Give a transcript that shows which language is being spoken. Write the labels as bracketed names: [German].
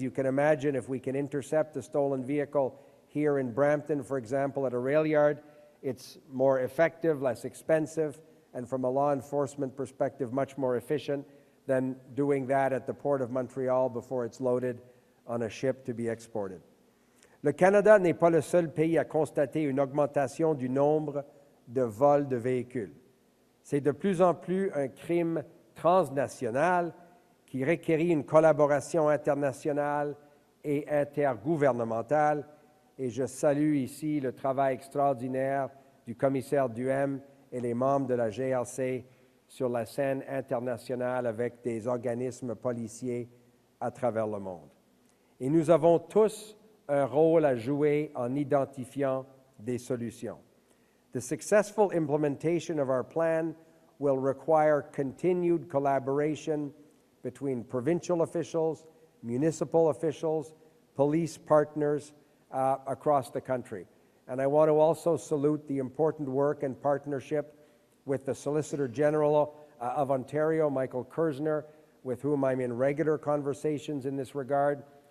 [English] You can imagine if we can intercept a stolen vehicle here in Brampton, for example, at a rail yard, it's more effective, less expensive, and from a law enforcement perspective, much more efficient than doing that at the Port of Montreal before it's loaded on a ship to be exported. [French] Le Canada n'est pas le seul pays à constater une augmentation du nombre de vols de véhicules. C'est de plus en plus un crime transnational qui requiert une collaboration internationale et intergouvernementale. Et je salue ici le travail extraordinaire du commissaire Duhem et les membres de la GRC sur la scène internationale avec des organismes policiers à travers le monde. Et nous avons tous un rôle à jouer en identifiant des solutions. [English] The successful implementation of our plan will require continued collaboration between provincial officials, municipal officials, police partners across the country. And I want to also salute the important work and partnership with the Solicitor General of Ontario, Michael Kirzner, with whom I'm in regular conversations in this regard.